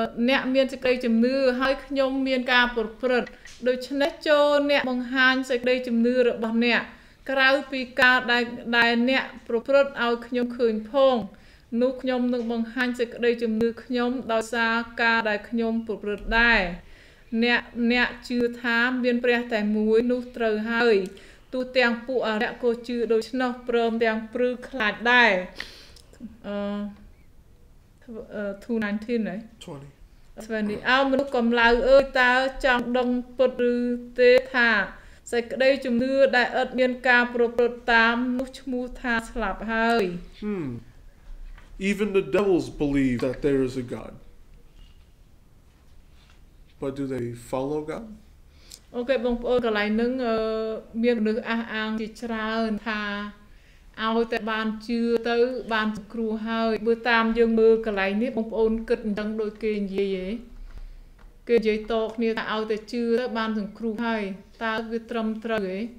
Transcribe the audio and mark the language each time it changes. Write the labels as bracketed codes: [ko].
[km] អ្នកមានសេចក្តីជំនឿហើយខ្ញុំមានការប្រព្រឹត្តដូច្នេះចូលអ្នកបង្ហាញសេចក្តីជំនឿរបស់អ្នកក្រៅពីការដែលអ្នកប្រព្រឹត្តឲ្យខ្ញុំឃើញផងនោះខ្ញុំនឹងបង្ហាញសេចក្តីជំនឿខ្ញុំដោយសារការដែលខ្ញុំប្រព្រឹត្តដែរអ្នកជឿថាមានព្រះតែមួយនោះត្រូវហើយទូទាំងពួកអរិយក៏ជឿដូច្នោះព្រមទាំងព្រឺខ្លាចដែរ 219 20អើមនុស្សកំឡៅអើយតើចង់ដឹងពុតឬទេថាសេចក្តីជំនឿដែលឥតមានការប្រព្រឹត្តតាមនោះឈ្មោះថាស្លាប់ហើយ [en] Even the devils believe that there is a godBut do they follow God? [km] Okay, បងប្អូនកន្លែងហ្នឹងមានមនុស្សអះអាងជាច្រើនថាឲ្យតែបានជឿទៅបានសង្គ្រោះហើយបើតាមយើងមើលកន្លែងនេះបងប្អូនគិតអញ្ចឹងដូចគេនិយាយហ៎គេនិយាយតគ្នាថាឲ្យតែជឿទៅបានសង្គ្រោះហើយតើវាត្រឹមត្រូវហ៎